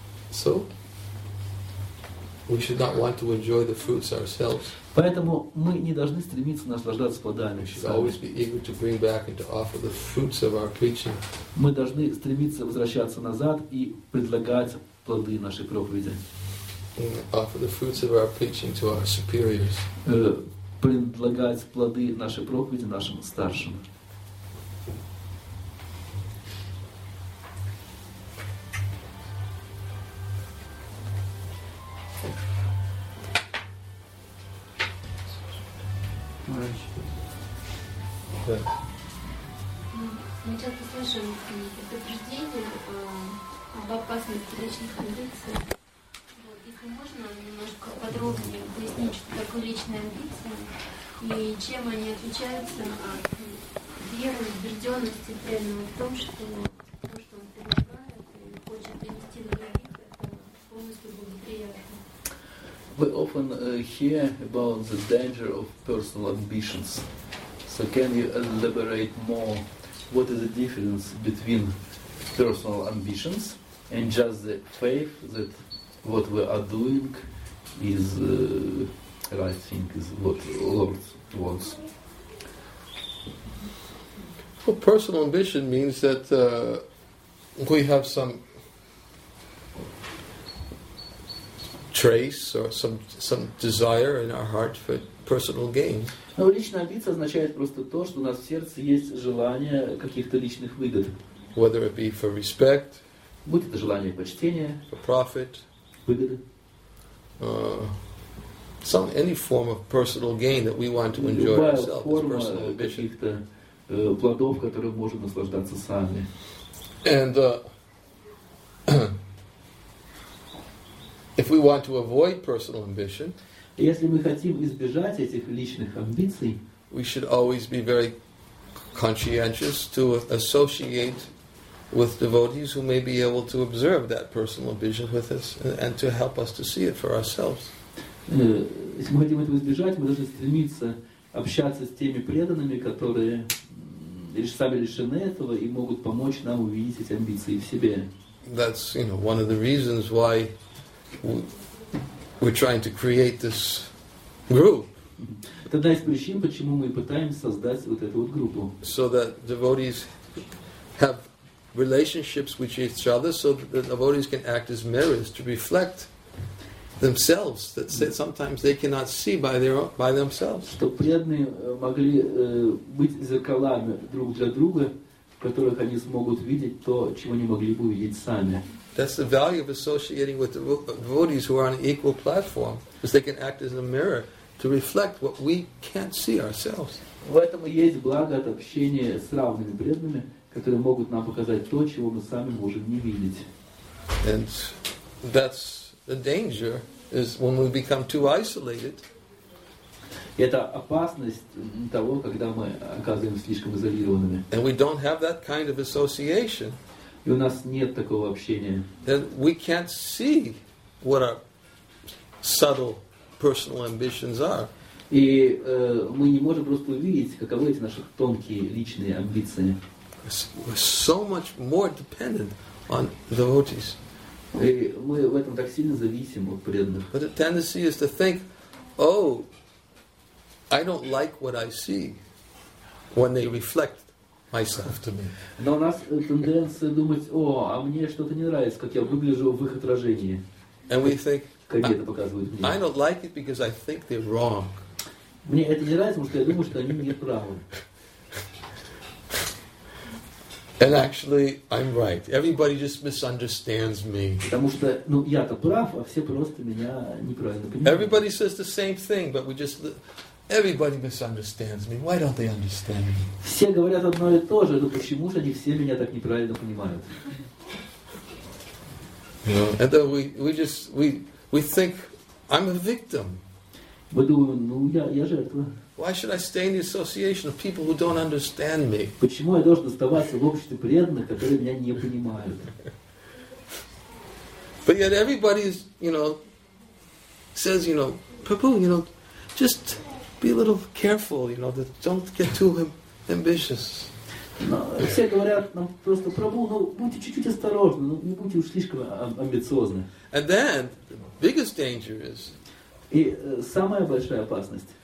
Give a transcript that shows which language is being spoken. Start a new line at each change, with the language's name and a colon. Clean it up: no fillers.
English: So, we should not want to enjoy the fruits ourselves.
Russian: Поэтому мы не должны стремиться наслаждаться плодами.
English: We should always be eager to bring back and to offer the fruits of our preaching.
Russian: Мы должны стремиться возвращаться назад и предлагать плоды нашей проповеди.
English: Offer the fruits of our preaching to our superiors.
Russian: Предлагать плоды нашей проповеди нашим старшим. Мы часто слышим предупреждения об опасности личных амбиций. Вот, если можно немножко подробнее пояснить, что такое личные амбиции и чем они отличаются от веры, убежденности, прямо в том, что то, что он предлагает и хочет принести на других, это полностью благоприятно.
English: We often hear about the danger of personal ambitions. So can you elaborate more? What is the difference between personal ambitions and just the faith that what we are doing is right thing, is what Lord wants? Well, personal ambition means that we have some trace or some desire in our heart for personal gain.
Russian: Но личная амбиция означает просто то, что у нас в сердце есть желание каких-то личных выгод.
English: Whether it be for respect,
Russian: будь это желание почтения,
English: for profit,
Russian: выгоды,
English: some any form of personal gain that we want to enjoy ourselves.
Russian: Любая форма каких-то плодов, которые можем наслаждаться сами.
English: And if we want to avoid personal ambition,
Russian: если мы хотим избежать этих личных амбиций,
English: we should always be very conscientious to associate with devotees who may be able to observe that personal ambition with us and to help us to see it for ourselves.
Russian: Если мы хотим этого избежать, мы должны стремиться общаться с теми преданными, которые сами лишены этого и могут помочь нам увидеть эти амбиции в себе.
English: That's, one of the reasons why we're trying to create this group.
Russian: Это одна из причин, почему мы пытаемся создать вот эту вот группу.
English: So that devotees have relationships with each other, so that the devotees can act as mirrors to reflect themselves. That sometimes they cannot see by themselves.
Russian: Чтобы преданные могли быть зеркалами друг для друга, в которых они смогут видеть то, чего не могли бы увидеть сами.
English: That's the value of associating with the devotees who are on an equal platform, because they can act as a mirror to reflect what we can't see ourselves.
Russian: В этом и есть благо от общения с равными преданными, которые могут нам показать то, чего мы сами можем не видеть.
English: And that's the danger is when we become too isolated.
Russian: Это опасность того, когда мы оказываемся слишком изолированными.
English: And we don't have that kind of association.
Russian: И у нас нет такого общения.
English: Then we can't see what our subtle personal ambitions are.
Russian: И мы не можем просто увидеть, каковы эти наши тонкие личные амбиции.
English: We're so much more dependent on devotees.
Russian: И мы в этом так сильно зависим от преданных.
English: But the tendency is to think, oh, I don't like what I see when they reflect myself to me.
Russian: Но у нас тенденция думать, о, а мне что-то не нравится, как я выгляжу в их отражении.
English: And we think, I don't like it because I think they're wrong.
Russian: Мне это не нравится, потому что я думаю, что они не правы.
English: And actually, I'm right. Everybody just misunderstands me.
Russian: Потому что, ну, я-то прав, а все просто меня неправильно понимают.
English: Everybody says the same thing, but we just... Everybody misunderstands me. Why don't they understand me?
Russian: Все говорят одно и то же, но почему же они все меня так неправильно понимают?
English: And then we think I'm a victim.
Russian: Мы думаем, ну, я жертва.
English: Why should I stay in the association of people who don't understand me?
Russian: Почему я должен оставаться в обществе преданных, которые меня не понимают?
English: But yet everybody is, you know, says, you know, Prabhu, you know, just be a little careful, you know, that don't get too ambitious.
Russian: Но все говорят нам просто, Прабху, ну будьте чуть-чуть осторожны, ну не будьте уж слишком амбициозны.
English: And then the biggest danger is.
Russian: И самая большая опасность.